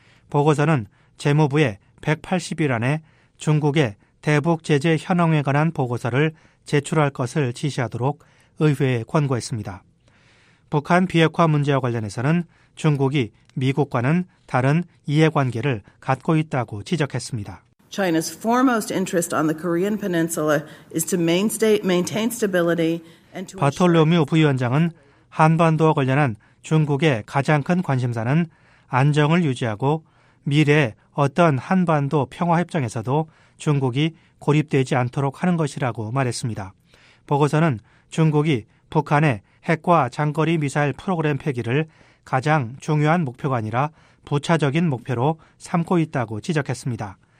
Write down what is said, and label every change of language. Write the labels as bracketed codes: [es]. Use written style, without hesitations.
[ko] 보고서는 재무부의 180일 안에 중국의 대북 제재 현황에 관한 보고서를 제출할 것을 지시하도록 의회에 권고했습니다. 북한 비핵화 문제와 관련해서는 중국이 미국과는 다른 이해관계를 갖고 있다고 지적했습니다. [en] China's foremost interest on the Korean Peninsula is to maintain stability and to. [ko] 바톨로미오 부위원장은 한반도와 관련한 중국의 가장 큰 관심사는 안정을 유지하고 미래 어떤 한반도 평화협정에서도 중국이 고립되지 않도록 하는 것이라고 말했습니다. 보고서는 중국이 북한의 핵과 장거리 미사일 프로그램 폐기를 가장 중요한 목표가 아니라 부차적인 목표로 삼고 있다고 지적했습니다.